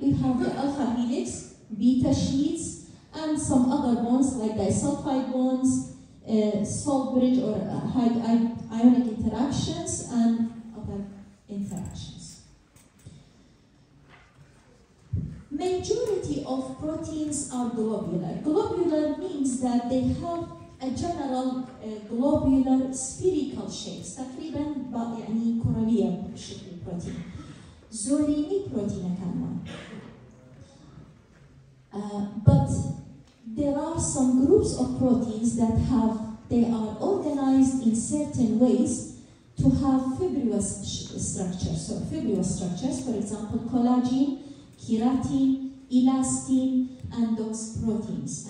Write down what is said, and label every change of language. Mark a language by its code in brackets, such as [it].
[en] We have the alpha helix, beta sheets, and some other bonds like disulfide bonds, salt bridge or ionic interactions, and other interactions. Majority of proteins are globular. Globular means that they have a general globular spherical shape. [ar] تقريباً يعني كروية شكل البروتين. زوليني بروتين كمان. [en] But there are some groups of proteins that have they are organized in certain ways to have fibrous structures. So fibrous structures, for example, collagen, keratin, elastin, and those proteins.